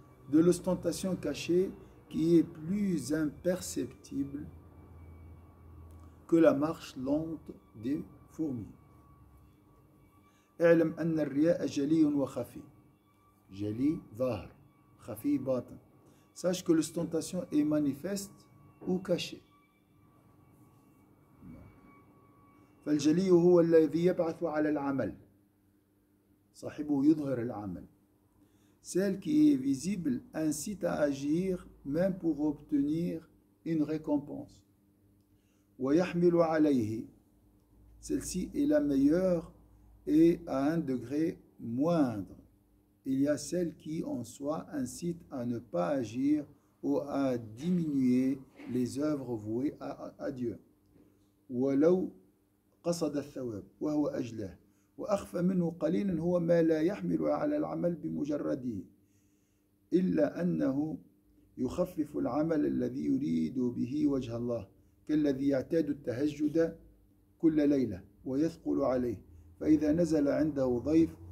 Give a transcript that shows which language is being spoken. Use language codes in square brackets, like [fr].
[fr] De l'ostentation cachée qui est plus imperceptible que la marche lente des fourmis. [ar] I'lam anna ar-riya jali wa khafi. Jali dhahir, khafi batin. [fr] Sache que l'ostentation est manifeste ou cachée. [ar] فالجلي هو الذي يبعث على العمل. صاحبه يظهر العمل. [fr] Celle qui est visible incite à agir même pour obtenir une récompense. [ar] ويحمل عليه. [fr] Celle-ci est la meilleure et à un degré moindre. Il y a celle qui, en soi, incite à ne pas agir ou à diminuer les œuvres vouées à Dieu. [ar] وَلَوْ قَصَدَ الثَّوَابُ وَهُوَ أَجْلَهُ وَأَخْفَ مِنْهُ قَلِيلًا هُوَ مَا لَا يَحْمِلُ عَلَى الْعَمَلِ بِمُجَرَّدِهِ إِلَّا أَنَّهُ يُخَفِّفُ الْعَمَلَ الَّذِي يُرِيدُ بِهِ وَجْهَ اللَّهِ كَالَّذِي يَعْتَادُ التَّهَجُّدَ كُلَّ لَيْلَةٍ وَيَثْقُلُ عَلَيْهِ فَإِذَا نَزَلَ عِنْدَهُ ضَيْفٌ